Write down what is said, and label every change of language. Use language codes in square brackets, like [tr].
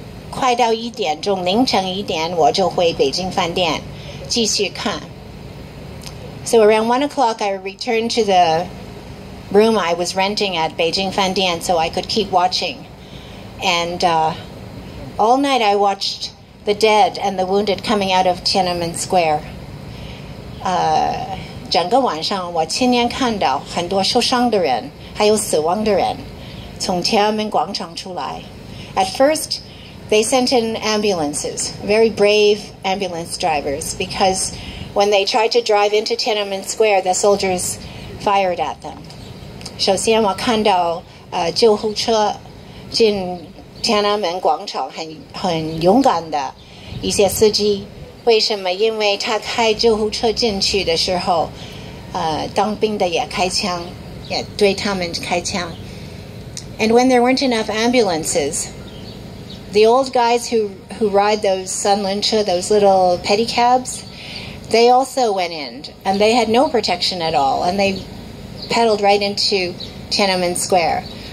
[zh] 快到一点钟,凌晨一点, 我就回北京饭店, 继续看. [en] So around 1 o'clock, I returned to the room I was renting at Beijing Fandian so I could keep watching. And all night I watched the dead and the wounded coming out of Tiananmen Square. [zh] 整个晚上我亲眼看到很多受伤的人, 还有死亡的人, 从天安门广场出来. [en] At first, they sent in ambulances, very brave ambulance drivers, because when they tried to drive into Tiananmen Square, the soldiers fired at them. [zh] 首先我看到救护车进天安门广场很勇敢的一些司机，为什么？因为他开救护车进去的时候，当兵的也开枪，也对他们开枪. [en] And when there weren't enough ambulances, the old guys who ride those sunlinche, those little pedicabs, they also went in, and they had no protection at all, and they pedaled right into Tiananmen Square.